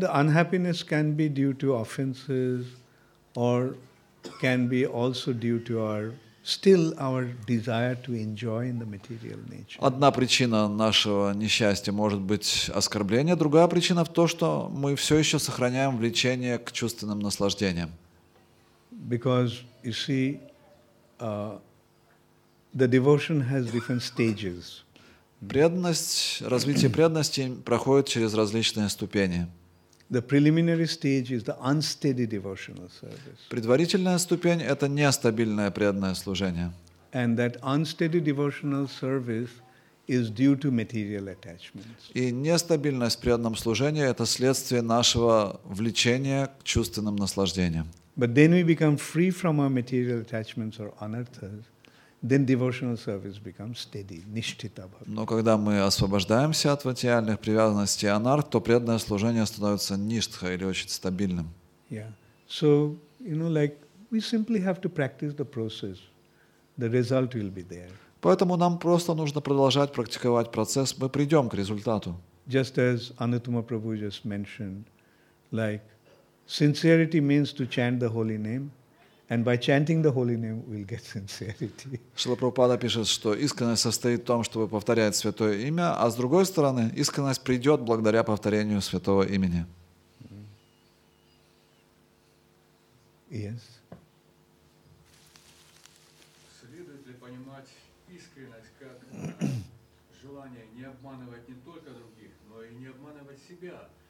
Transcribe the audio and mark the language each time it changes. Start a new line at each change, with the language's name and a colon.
English: The unhappiness can be due to offenses, or can be also due to our desire to enjoy in the material nature.
Russian: Одна причина нашего несчастья может быть оскорбление, другая причина в том, что мы все еще сохраняем влечение к чувственным наслаждениям.
English: Because you see, the devotion has different stages.
Russian: Преданность, развитие преданности проходит через различные ступени.
English: The preliminary stage is the unsteady devotional service.
Russian: Предварительная ступень – это нестабильное преданное служение.
English: And that unsteady devotional service is due to material attachments.
Russian: И нестабильность в преданном служении – это следствие нашего влечения к чувственным наслаждениям.
English: But then we become free from our material attachments or anarthas. Then devotional service becomes steady, nishtita bhakti.
Russian: Но когда мы освобождаемся от материальных привязанностей анарт, то преданное служение становится ништха или очень стабильным.
English: Yeah. So, you know, like we simply have to practice the process. The result will be there.
Russian: Поэтому нам просто нужно продолжать практиковать процесс, мы придем к результату.
English: Just as Anuttama Prabhu just mentioned, like sincerity means to chant the holy name. And by chanting the holy name, we'll get sincerity.
Russian: Шрила Прабхупада пишет, что искренность состоит в том, чтобы повторять святое имя, а с другой стороны, искренность придет благодаря повторению святого имени.
English: Yes.
Russian: Следует ли понимать искренность как желание не обманывать не только других, но и не обманывать себя?